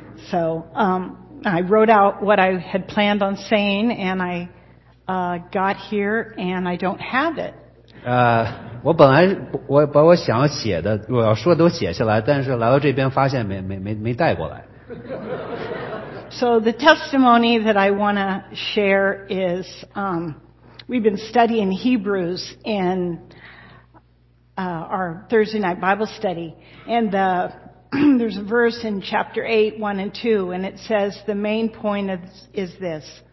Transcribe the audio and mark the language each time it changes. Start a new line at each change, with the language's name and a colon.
English: So I wrote out what I had planned on saying, and I got here, and I don't have it.
Chinese: 我本来把我想写的我要说的都写下来，但是来到这边发现没带过来。
English: So the testimony that I want to share is we've been studying Hebrews in our Thursday night Bible study. And there's a verse in chapter 8, 1 and 2, and it says the main point is this.